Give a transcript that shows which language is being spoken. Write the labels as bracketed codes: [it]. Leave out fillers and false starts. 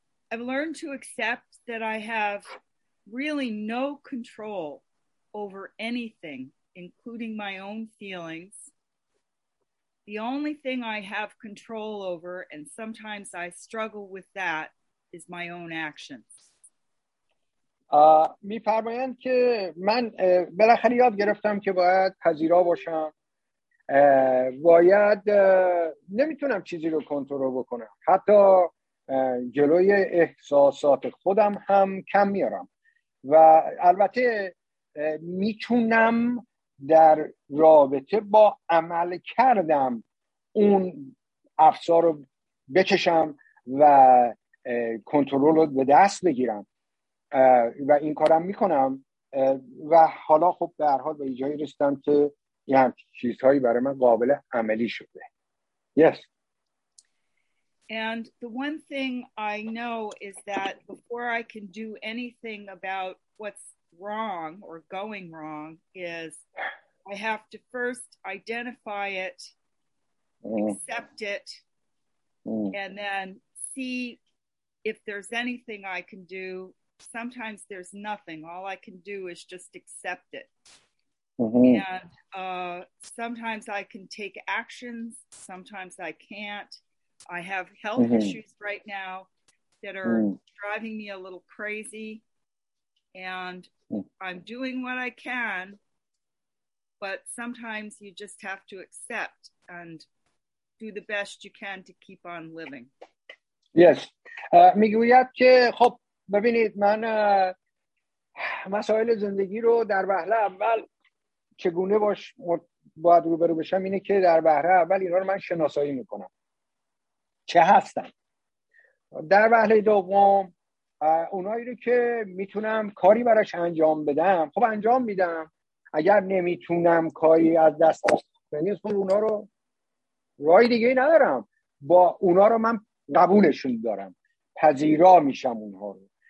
[en] I've learned to accept that I have really no control over anything, including my own feelings. The only thing I have control over, and sometimes I struggle with that, is my own actions. [fa] می فرمایند که من بالاخره یاد گرفتم که باید پذیرا باشم. باید نمیتونم چیزی رو کنترل بکنم. حتی جلوی احساسات خودم هم کم میارم و البته میتونم در رابطه با عمل کردم اون افسار رو بکشم و کنترل رو به دست بگیرم و این کارم میکنم و حالا خب به هر حال به جایی رسیدم که یه همچین چیزهایی برای من قابل عملی شده. [en] Yes. And the one thing I know is that before I can do anything about what's wrong or going wrong is I have to first identify it, accept it, and then see if there's anything I can do. Sometimes there's nothing. All I can do is just accept it. And sometimes I can take actions. Sometimes I can't. I have health issues right now that are driving me a little crazy, and I'm doing what I can, but sometimes you just have to accept and do the best you can to keep on living. Yes. [fa] میگوید که خب ببینید، من مسائل زندگی رو در وهله اول چگونه باش باید روبرو بشم اینه که در وهله اول اینا رو من شناسایی میکنم چه هستن، در وهله دوم اونایی رو که میتونم کاری براش انجام بدم خب انجام میدم، اگر نمیتونم کاری از دست یعنی خب اونا رو رای دیگه ای ندارم، با اونا رو من قبولشون دارم، پذیرا میشم اونها رو.